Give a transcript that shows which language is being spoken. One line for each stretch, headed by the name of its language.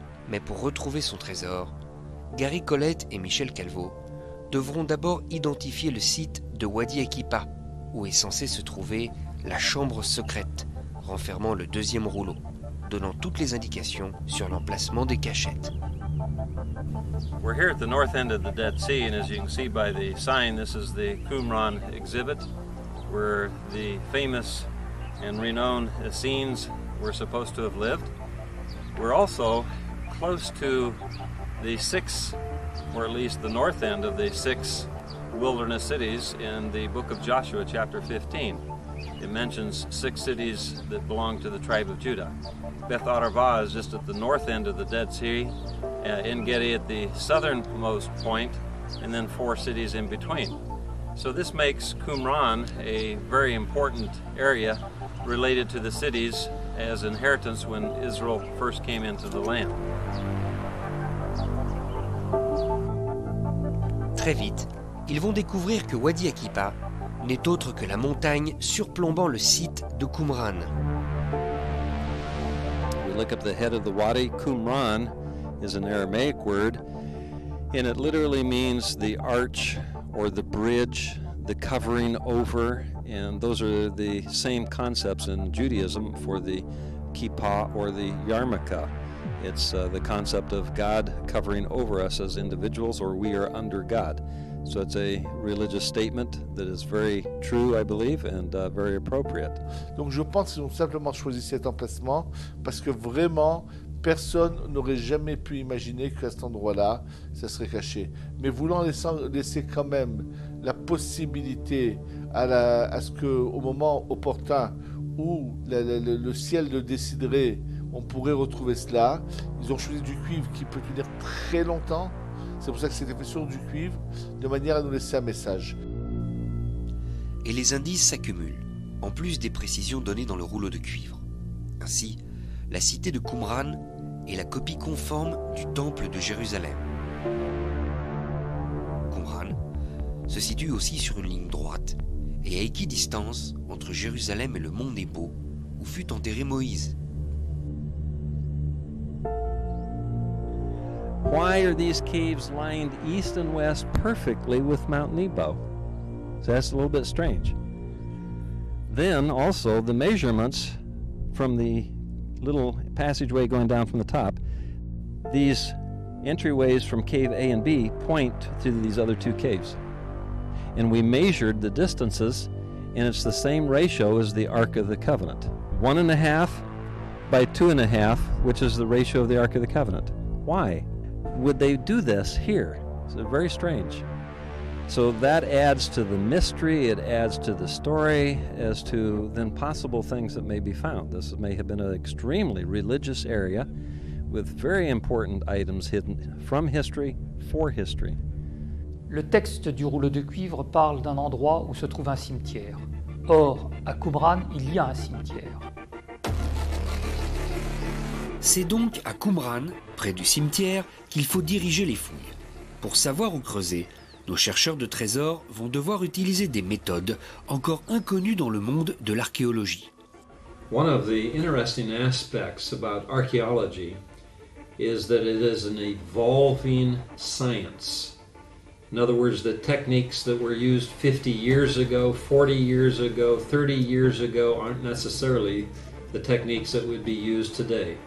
French: Mais pour retrouver son trésor, Gary Collette et Michel Calvo devront d'abord identifier le site de Wadi Akipa, où est censée se trouver la chambre secrète, renfermant le deuxième rouleau, donnant toutes les indications sur l'emplacement des cachettes.
English: We're here at the north end of the Dead Sea, and as you can see by the sign, this is the Qumran exhibit, where the famous and renowned Essenes were supposed to have lived. We're also close to the six, or at least the north end of the six wilderness cities in the book of Joshua, chapter 15. It mentions six cities that belong to the tribe of Judah. Beth Arava is just at the north end of the Dead Sea, En Gedi at the southernmost point, and then four cities in between. So this makes Qumran a very important area related to the cities as inheritance when Israel first came into the land.
French: Très vite, ils vont découvrir que Wadi Akipa n'est autre que la montagne surplombant le site de Qumran.
English: We look up the head of the Wadi, Qumran is an Aramaic word, and it literally means the arch or the bridge, the covering over, and those are the same concepts in Judaism for the kippah or the yarmulke. It's the concept of God covering over us as individuals, or we are under God. So it's a religious statement that is very true, I believe, and very appropriate.
French: Donc je pense qu'ils ont simplement choisi cet emplacement parce que vraiment personne n'aurait jamais pu imaginer qu'à cet endroit-là, ça serait caché. Mais voulant laisser quand même la possibilité à ce qu'au moment opportun où le ciel le déciderait, on pourrait retrouver cela, ils ont choisi du cuivre qui peut tenir très longtemps. C'est pour ça que c'était fait sur du cuivre, de manière à nous laisser un message. Et les indices s'accumulent, en plus des précisions données dans le rouleau de cuivre. Ainsi, la cité de Qumran est la copie conforme du temple de Jérusalem. Qumran se situe aussi sur une ligne droite et à équidistance entre Jérusalem et le mont Nebo où fut enterré Moïse.
English: Why are these caves lined east and west perfectly with Mount Nebo? So that's a little bit strange. Then also the measurements from the little passageway going down from the top. These entryways from cave A and B point to these other two caves. And we measured the distances, and it's the same ratio as the Ark of the Covenant. 1.5 by 2.5, which is the ratio of the Ark of the Covenant. Why would they do this here? It's very strange. So that adds to the mystery, it adds to the story as to then possible things that may be found. This may have been an extremely religious area with very important items hidden from history for history.
French: Le texte du rouleau de cuivre parle d'un endroit où se trouve un cimetière. Or, à Qumran, il y a un cimetière. C'est donc à Qumran, près du cimetière, qu'il faut diriger les fouilles. Pour savoir où creuser, nos chercheurs de trésors vont devoir utiliser des méthodes encore inconnues dans le monde de l'archéologie.
English: One of the interesting aspects about archaeology is that it is an evolving science. In other words, the techniques that were used 50 years ago, 40 years ago, 30 years ago aren't necessarily the techniques that would be used today.